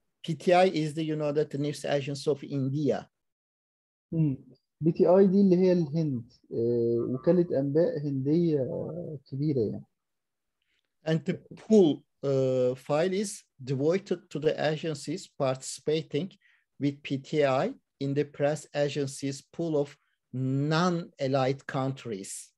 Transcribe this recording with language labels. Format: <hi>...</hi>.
<en>PTI is the, you know, that the news agency of India.</en> <ar>PTI دي اللي هي الهند، وكاله انباء هنديه كبيره يعني.</ar> <en>And the pool file is devoted to the agencies participating with PTI in the press agencies pool of non-allied countries.</en>